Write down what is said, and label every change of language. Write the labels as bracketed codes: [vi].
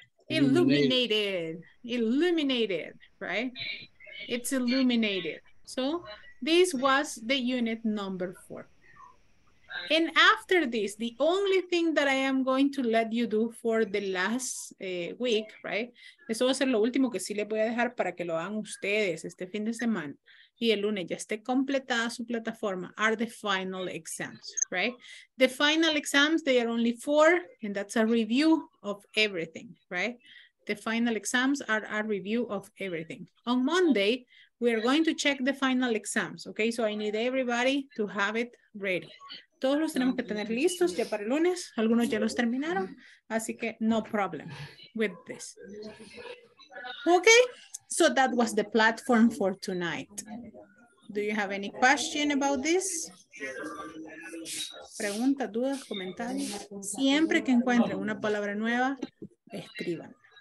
[en] illuminated. Right? It's illuminated. So this was the unit number 4. And after this, the only thing that I am going to let you do for the last week, right? [es] Eso va a ser lo último que sí les voy a dejar para que lo hagan ustedes este fin de semana y el lunes ya esté completada su plataforma, [en] are the final exams, right? The final exams, they are only 4, and that's a review of everything, right? The final exams are a review of everything. On Monday, we are going to check the final exams, okay? So I need everybody to have it ready. [es] Todos los tenemos que tener listos ya para el lunes. Algunos ya los terminaron, así que [en] no problem with this. Okay, so that was the platform for tonight. Do you have any question about this? [es] Preguntas, dudas, comentarios. Siempre que encuentren una palabra nueva, escriban.